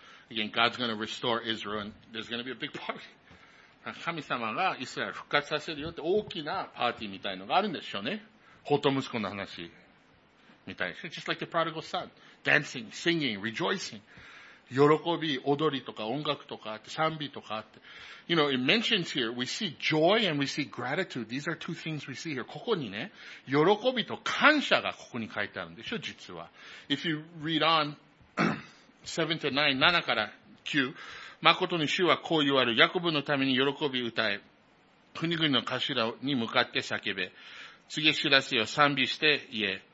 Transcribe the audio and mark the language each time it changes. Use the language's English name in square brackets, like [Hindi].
[English] Again, God's going to restore Israel and there's going to be a big party. [Japanese] 神様がイスラエル復活させるよって大きなパーティーみたいのがあるんでしょうね。ホト息子の話みたいな。 [English] Just like the prodigal son. Dancing, singing, rejoicing. [Japanese] 喜び、踊りとか音楽とかあって、賛美とかあって。 [English] You know, it mentions here, we see joy and we see gratitude. These are two things we see here. [Japanese] ここにね、喜びと感謝がここに書いてあるんでしょ、実は。 [English] If you read on, [Japanese] 7-9, 誠に主はこう言われる。ヤコブのために喜び歌え。国々の頭に向かって叫べ。告げ知らせよ、賛美して言え。